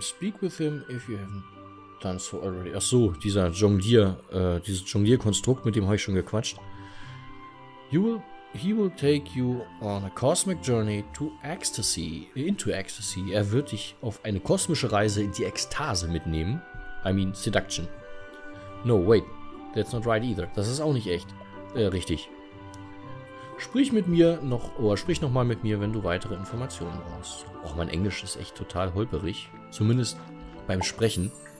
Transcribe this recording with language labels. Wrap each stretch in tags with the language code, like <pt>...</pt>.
<en>Speak with him if you haven't done so already.</en> <de>Ach so, dieser Jonglier, dieses Jonglierkonstrukt, mit dem habe ich schon gequatscht.</de> <en>He will take you on a cosmic journey to ecstasy. Into ecstasy.</en> <de>Er wird dich auf eine kosmische Reise in die Ekstase mitnehmen.</de> <en>I mean seduction. No, wait. That's not right either.</en> <de>Das ist auch nicht echt. Richtig. Sprich mit mir noch, oder sprich nochmal mit mir, wenn du weitere Informationen brauchst. Och, mein Englisch ist echt total holperig. Zumindest beim Sprechen.</de>